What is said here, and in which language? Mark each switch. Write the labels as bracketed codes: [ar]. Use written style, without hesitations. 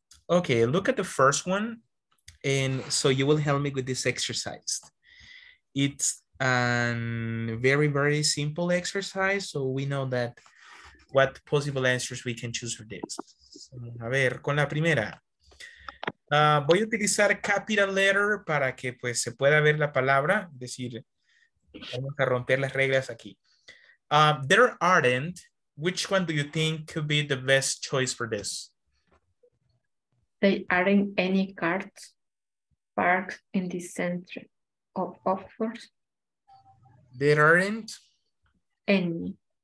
[en] Okay, look at the first one. And so you will help me with this exercise. It's a very, very simple exercise. So we know that what possible answers we can choose for this. So, [es] a ver, con la primera. Voy a utilizar capital letter para que pues se pueda ver la palabra, es decir, vamos a romper las reglas aquí. [en] There aren't, which one do you think could be the best choice for this? There aren't any cars parked in the center of offers. There aren't any.